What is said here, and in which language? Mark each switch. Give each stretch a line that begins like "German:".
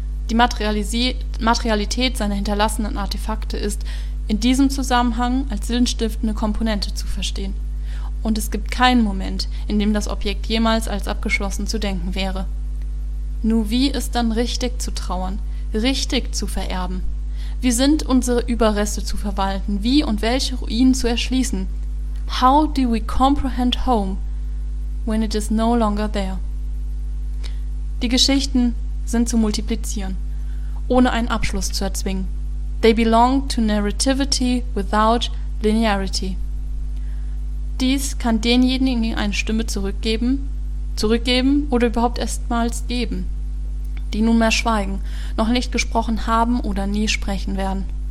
German: Die Materialität seiner hinterlassenen Artefakte ist in diesem Zusammenhang als sinnstiftende Komponente zu verstehen. Und es gibt keinen Moment, in dem das Objekt jemals als abgeschlossen zu denken wäre. Nur wie ist dann richtig zu trauern, richtig zu vererben? Wie sind unsere Überreste zu verwalten? Wie und welche Ruinen zu erschließen?
English: How do we comprehend home when it is no longer there?
German: Die Geschichten sind zu multiplizieren, ohne einen Abschluss zu erzwingen.
English: They belong to narrativity without linearity.
German: Dies kann denjenigen eine Stimme zurückgeben oder überhaupt erstmals geben, die nunmehr schweigen, noch nicht gesprochen haben oder nie sprechen werden.